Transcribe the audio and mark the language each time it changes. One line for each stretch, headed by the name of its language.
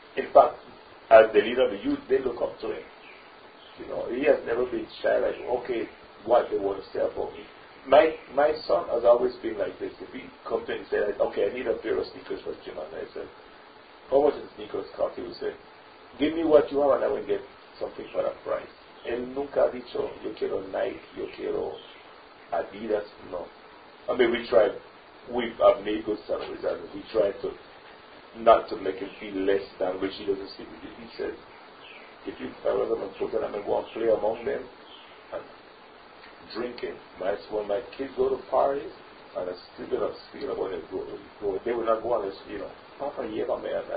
English: In fact, as the leader of the youth, they look up to him. You know, he has never been shy, like, okay, what they want to say about me. My son has always been like this. If he comes to me and says, like, okay, I need a pair of sneakers for gym, and I said, how much the sneakers cost? He would say, give me what you have and I will get something for that price.
Spanish: Él nunca ha dicho, yo quiero Nike, yo quiero Adidas, no.
English: I mean, we've made good salaries, and we try to not to make him feel less than, which he doesn't see. He says, if you follow them and put them and go and play among them, drinking. When my kids go to parties, and I still get upset about it, they will not go on this, you know, Papa, yeah, my man.